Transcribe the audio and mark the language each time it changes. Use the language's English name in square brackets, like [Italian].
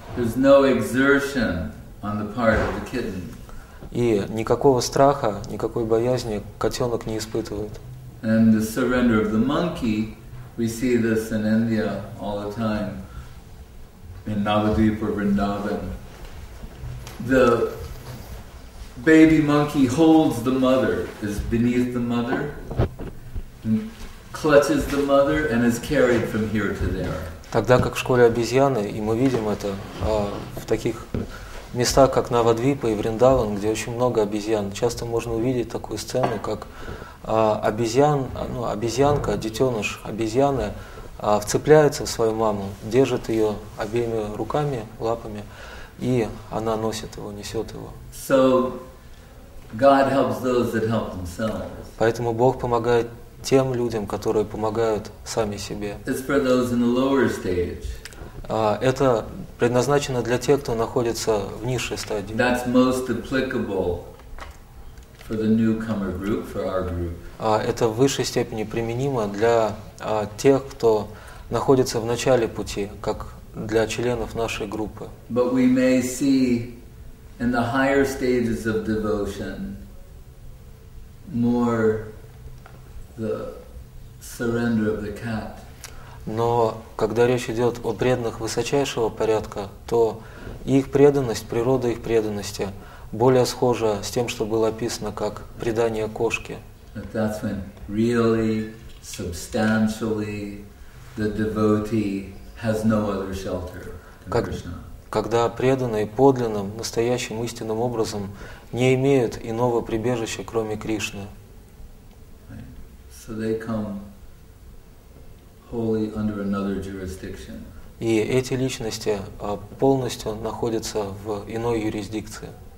[English] There's no exertion on the part of the kitten. [Russian] И никакого страха, никакой боязни котенок не испытывает. [English] And the surrender of the monkey, we see this in India all the time, in Navadvip or Vrindavan. The baby monkey holds the mother, is beneath the mother, and clutches the mother and is carried from here to there. [Russian] Тогда как в школе обезьяны, и мы видим это в таких местах, как Навадвипа и Вриндаван, где очень много обезьян, часто можно увидеть такую сцену, как обезьянка, детеныш обезьяны вцепляется в свою маму, держит ее обеими руками, лапами, и она носит его, несет его. [English] So, God helps those that help themselves. [Russian] Поэтому Бог помогает тем людям, которые помогают сами себе. [English] It's for those in the lower stage. [Russian] Это предназначено для тех, кто находится в низшей стадии. [English] That's most applicable for the newcomer group, for our group. [Russian] Это в высшей степени применимо для тех, кто находится в начале пути, как для членов нашей группы. [English] But we may see in the higher stages of devotion more the surrender of the cat. [Russian] Но когда речь идет о преданных высочайшего порядка, то их преданность, природа их преданности более схожа с тем, что было описано как предание кошки. [English] That's when really, substantially, the devotee has no other shelter than Krishna. [Russian] Когда преданные подлинным, настоящим, истинным образом не имеют иного прибежища, кроме Кришны. [English] So they come wholly under another jurisdiction. [Russian] И эти личности полностью находятся в иной юрисдикции.